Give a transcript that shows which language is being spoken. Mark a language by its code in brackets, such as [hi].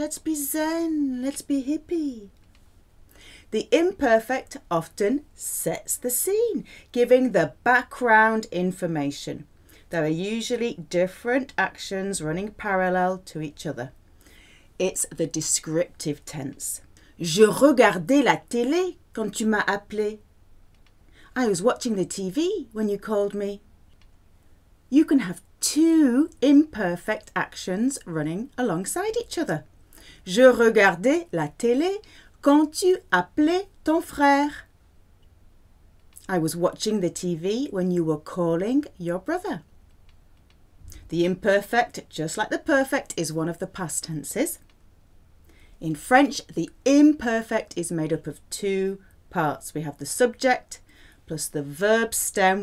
[en] Let's be zen. Let's be hippie. The imperfect often sets the scene, giving the background information. There are usually different actions running parallel to each other. It's the descriptive tense. [fr] Je regardais la télé quand tu m'as appelé. [en] I was watching the TV when you called me. You can have two imperfect actions running alongside each other. [fr] Je regardais la télé quand tu appelais ton frère. [en] I was watching the TV when you were calling your brother. The imperfect, just like the perfect, is one of the past tenses. In French, the imperfect is made up of two parts. We have the subject plus the verb stem.